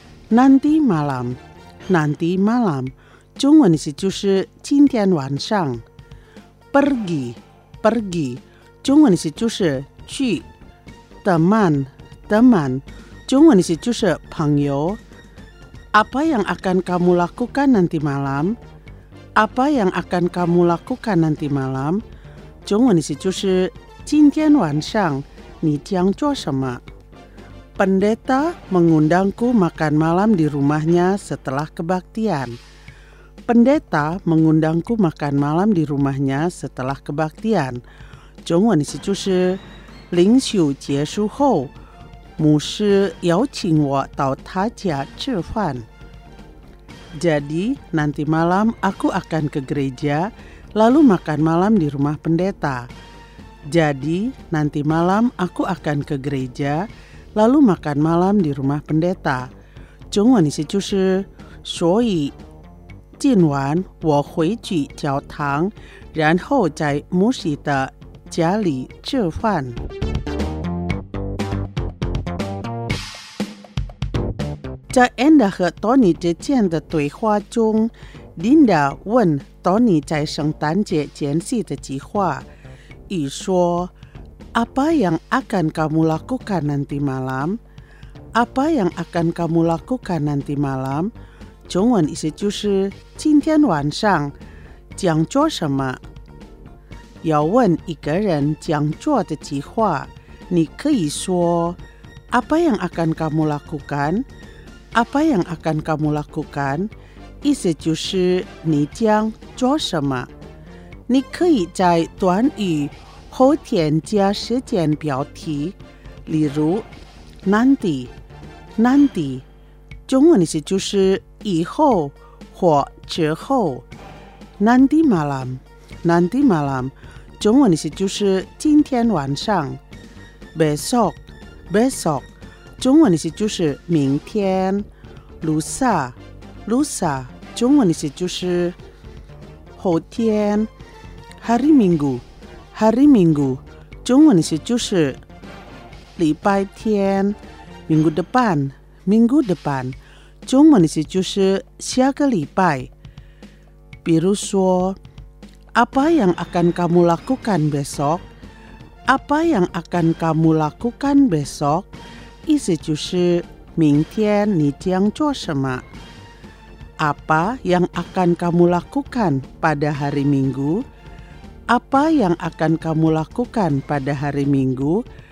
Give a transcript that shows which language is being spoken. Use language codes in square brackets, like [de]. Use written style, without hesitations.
[id] Nanti Malam， Nanti Malam， [zh] 中文是就是今天晚上。 Pergi， Pergi， 中文是就是去。 Teman， Teman， 中文是就是朋友。 [id] Apa yang akan kamu lakukan nanti malam? Apa yang akan kamu lakukan nanti malam? [zh] 中文是就是今天晚上你将做什么？ [id] Pendeta mengundangku makan malam di rumahnya setelah kebaktian. Pendeta mengundangku makan malam di rumahnya setelah kebaktian. [zh] 中文是就是灵修结束后，牧师邀请我到他家吃饭。 [id] Jadi nanti malam aku akan ke gereja lalu makan malam di rumah pendeta. Jadi nanti malam aku akan ke gereja lalu makan malam di rumah pendeta. [zh] 中文是就是，所以今晚我回去教堂，然后在牧师的家里吃饭。在 Anna 和 Tony 之间的对话中， Linda 问 Tony 在圣诞节间隙的计划，与说 [id] Apa yang akan kamu lakukan nanti malam? Apa yang akan kamu lakukan nanti malam? [zh] 中文意思就是今天晚上将做什么。要问一个人将做的计划，你可以说 [id] Apa yang akan kamu lakukan? Apa yang akan kamu lakukan? [zh] 意思就是你将做什么。你可以在短语后添加时间标题，例如 nanti， nanti， 中文意思就是以后或之后。 Nanti malam， nanti malam， 中文意思就是今天晚上。Besok， besok，中文意思就是明天 Lusa Lusa 中文意思就是后天 Hari Minggu Hari Minggu 中文意思就是礼拜天 Minggu depan Minggu depan 中文意思就是下个礼拜 比如说 [id] Apa yang akan kamu lakukan besok? Apa yang akan kamu lakukan besok? [zh] 意思就是明天你将做什么? [id] Apa yang akan kamu lakukan pada hari Minggu? Apa yang akan kamu lakukan pada hari Minggu?